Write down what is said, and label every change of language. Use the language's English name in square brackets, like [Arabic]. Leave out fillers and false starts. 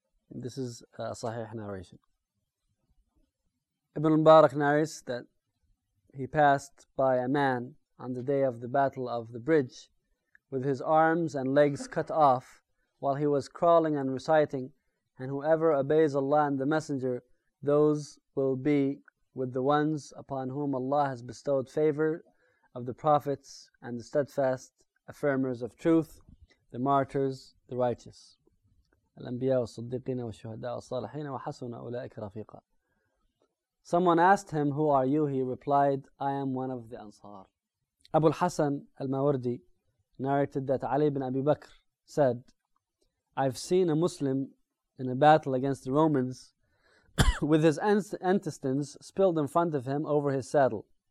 [English] This is a sahih narration. Ibn Mubarak narrates that he passed by a man on the day of the battle of the bridge with his arms and legs cut off while he was crawling and reciting, and whoever obeys Allah and the Messenger, those will be with the ones upon whom Allah has bestowed favor of the prophets and the steadfast affirmers of truth, the martyrs, the righteous. [Arabic] الأنبياء والصديقين والشهداء والصالحين وحسن أولئك رفيقا. [English] Someone asked him, who are you? He replied, I am one of the Ansar. Abu al-Hasan al-Mawardi narrated that Ali ibn Abi Bakr said, I've seen a Muslim in a battle against the Romans with his intestines spilled in front of him over his saddle.